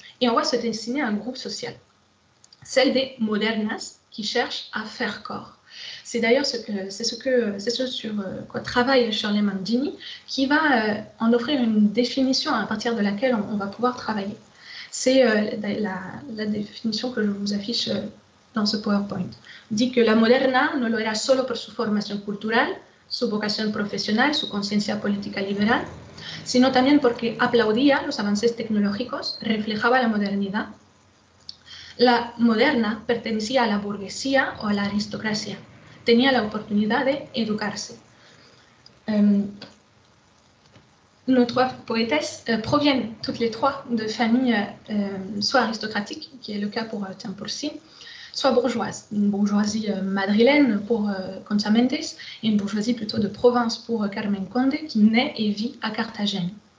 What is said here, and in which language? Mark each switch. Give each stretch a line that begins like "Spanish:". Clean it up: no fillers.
French: Et on voit se dessiner un groupe social, celle des modernas, qui cherchent à faire corps. C'est d'ailleurs ce sur quoi travaille Shirley Mangini, qui va en offrir une définition à partir de laquelle on va pouvoir travailler. C'est la définition que je vous affiche dans ce PowerPoint. Dit que
Spanish: la moderna no lo era solo por su formación cultural, su vocación profesional, su conciencia política liberal, sino también porque aplaudía los avances tecnológicos, reflejaba la modernidad. La moderna pertenecía a la burguesía o a la aristocracia, tenía la oportunidad de educarse.
French: Nos trois poétesses proviennent toutes les trois de familles soit aristocratiques, qui est le cas pour Champoursin, soit bourgeoise, une bourgeoisie madrilène pour Concha Méndez et une bourgeoisie plutôt de province pour Carmen Condé qui naît et vit à Cartagène.